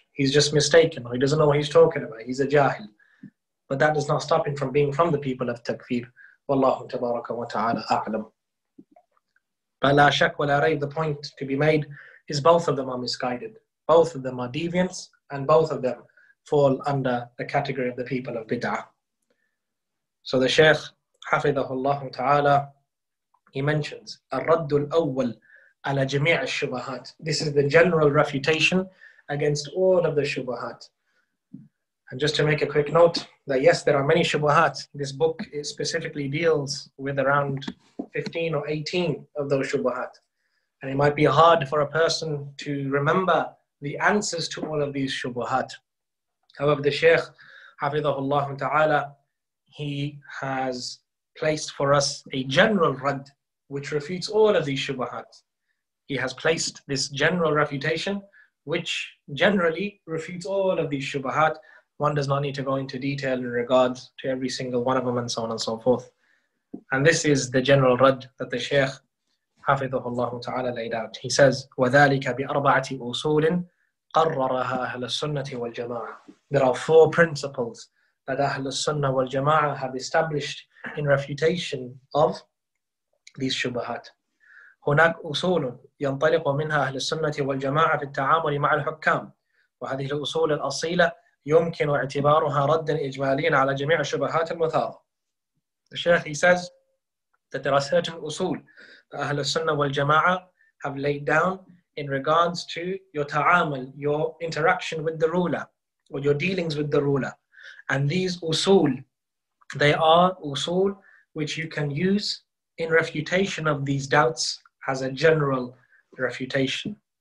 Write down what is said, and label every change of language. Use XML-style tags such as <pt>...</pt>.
<en>He's just mistaken, or he doesn't know what he's talking about. He's a jahil. But that does not stop him from being from the people of takfir. Wallahu tabaraka wa ta'ala a'lam. But</en> <ar>la shak wa la rayb,</ar> <en>the point to be made is both of them are misguided. Both of them are deviants, and both of them fall under the category of the people of bid'ah. So the Shaykh, حفظه الله تعالى, he mentions</en> <ar>الرد الأول على جميع الشبهات.</ar> <en>This is the general refutation against all of the shubahat. And just to make a quick note, that yes, there are many shubahat. This book specifically deals with around 15 or 18 of those shubahat. And it might be hard for a person to remember the answers to all of these shubahat. However, the Shaykh, Hafidhahullah Ta'ala, he has placed for us a general rad, which refutes all of these shubahat. He has placed this general refutation, which generally refutes all of these shubahat. One does not need to go into detail in regards to every single one of them and so on and so forth. And this is the general rad that the Shaykh حفظه الله تعالى laid out. He says,</en> <ar>وَذَلِكَ بِأَرْبَعَةِ أُصُولٍ قَرَّرَهَا أَهْلَ السُّنَّةِ وَالْجَمَاعَةِ.</ar> <en>There are four principles that أهل السنة والجماعة have established in refutation of these shubahat.</en> <ar>هناك أصول ينطلق منها أهل السنة والجماعة في التعامل مع الحكام. وهذه الأصول الأصيلة يمكن اعتبارها ردا إجماليا على جميع الشبهات المثارة.</ar> <en>The Shaykh, he says that there are certain أصول that أهل السنة والجماعة have laid down in regards to your ta'amal, your interaction with the ruler, or your dealings with the ruler. And these أصول, they are أصول which you can use in refutation of these doubts as a general refutation.</en>